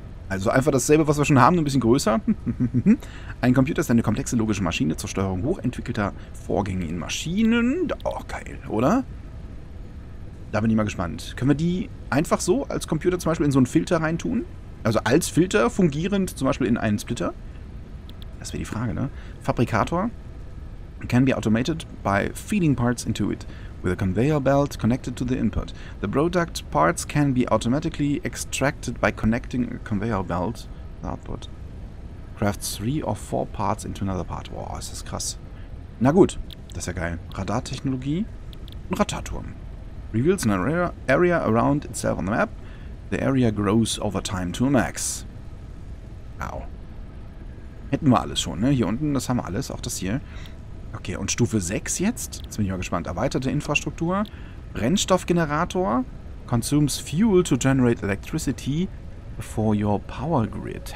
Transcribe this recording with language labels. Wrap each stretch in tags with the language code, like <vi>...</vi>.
<de>Also einfach dasselbe, was wir schon haben, nur ein bisschen größer. Ein Computer ist eine komplexe logische Maschine zur Steuerung hochentwickelter Vorgänge in Maschinen. Oh, geil, oder? Da bin ich mal gespannt. Können wir die einfach so als Computer zum Beispiel in so einen Filter reintun? Also als Filter fungierend zum Beispiel in einen Splitter? Das wäre die Frage, ne? Fabrikator.</de> <en>Can be automated by feeding parts into it. With a conveyor belt connected to the input. The product parts can be automatically extracted by connecting a conveyor belt to the output. Craft 3 or 4 parts into another part.</en> <de>Wow, ist das krass. Na gut, das ist ja geil. Radartechnologie. Ein Radarturm.</de> <en>Reveals an area around itself on the map. The area grows over time to a max.</en> <de>Wow. Hätten wir alles schon, ne? Hier unten, das haben wir alles, auch das hier. Okay, und Stufe 6 jetzt? Jetzt bin ich mal gespannt. Erweiterte Infrastruktur. Brennstoffgenerator.</de> <en>Consumes fuel to generate electricity for your power grid.</en>